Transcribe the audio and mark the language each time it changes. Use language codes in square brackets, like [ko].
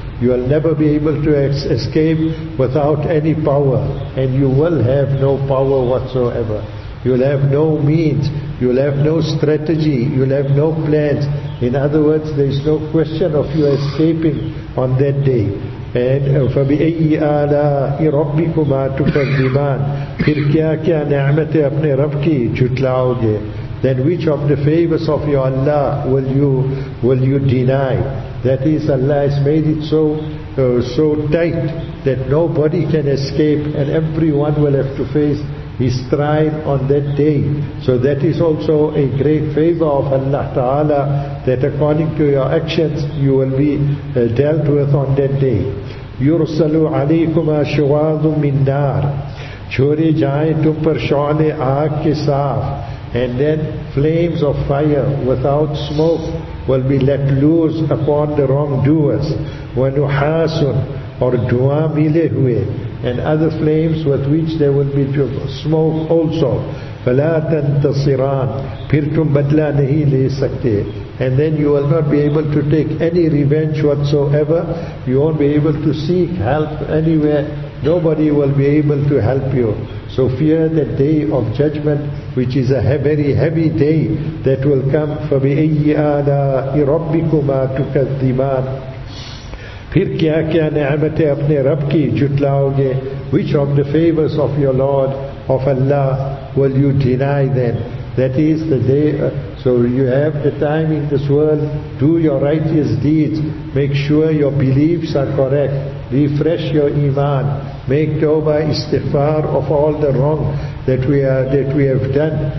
[en] You will never be able to escape without any power. And you will have no power whatsoever. You will have no means. You will have no strategy. You will have no plans. In other words, there is no question of you escaping on that day. [ur] And [ar] فَبِأَيِّ آلَاءِ رَبِّكُمَا تُكَذِّبَانِ, [ur] پھر کیا کیا نعمتیں اپنے رب کی جھٹلاو گے. [en] Then which of the favors of your Allah will you deny? That is, Allah has made it so tight that nobody can escape, and everyone will have to face his trial on that day. So that is also a great favor of Allah Ta'ala, that according to your actions you will be dealt with on that day. [ar] يُرْسَلُ عَلَيْكُمَا شُوَاظٌ مِّن نَارٍ, [ur] چھوڑے جائیں تم پر شعلے آگ کے صاف. [en] And then flames of fire without smoke will be let loose upon the wrongdoers. [ar] وَنُحَاسٌ, [en] or [ur] dua mile huye, [en] and other flames with which there will be smoke also. [ar] فَلَا تَنْتَصِرَانَ, [ur] پھر تم بدلہ نہیں لے سکتے. [en] And then you will not be able to take any revenge whatsoever. You won't be able to seek help anywhere. Nobody will be able to help you. So fear the day of judgment, which is a very heavy day that will come. [ar] فَبِأَيِّ آلَاءِ رَبِّكُمَا تُكَذِّبَانَ, [ur] پھر کیا کیا نعمتیں اپنے رب کی جھٹلاو گے. [en] Which of the favors of your Lord, of Allah, will you deny then? That is the day. So you have the time in this world. Do your righteous deeds. Make sure your beliefs are correct. Refresh your iman. Make tawbah, istighfar of all the wrong that we have done.